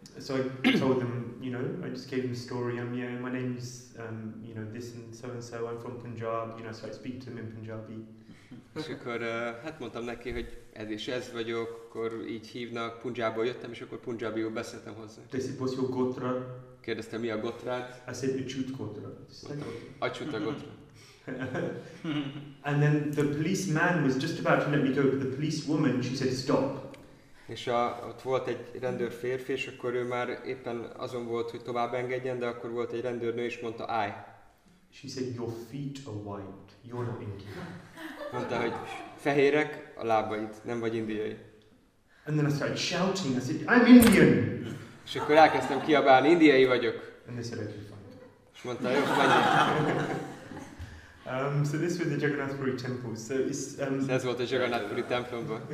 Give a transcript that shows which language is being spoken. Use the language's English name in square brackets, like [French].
[English] So I told them, you know, I just gave them a story. My name is, you know, this and so and so. I'm from Punjab. You know, so I speak to them in Punjabi. [Hungarian] És akkor hát mondtam neki, hogy ez is ez vagyok, akkor így hívnak, Punjabból jöttem, és akkor Punjabiul beszéltem hozzá. [English] They said, what's your gotra? [Hungarian] Kérdezte, mi a gotrád? [English] I said, Achyut gotra. [Hungarian] Achyut a gotra. [English] And then the policeman was just about to let me go, but the police woman, she said, stop. [Hungarian] És ott volt egy rendőr férfi, és akkor ő már éppen azon volt, hogy tovább engedjen, de akkor volt egy rendőrnő, és mondta, állj. [English] She said, your feet are white, you're not Indian. [Hungarian] Mondta, hogy fehérek a lábaid, nem vagy indiai. [English] And then I started shouting, I said, I'm Indian. [Hungarian] És akkor elkezdtem kiabálni, indiai vagyok. [English] And they said, okay, fine. [Hungarian] És mondta, jó, menjünk. [English] So this was the Jagannath Puri temple. So it's that's what the Jagannath Puri temple was.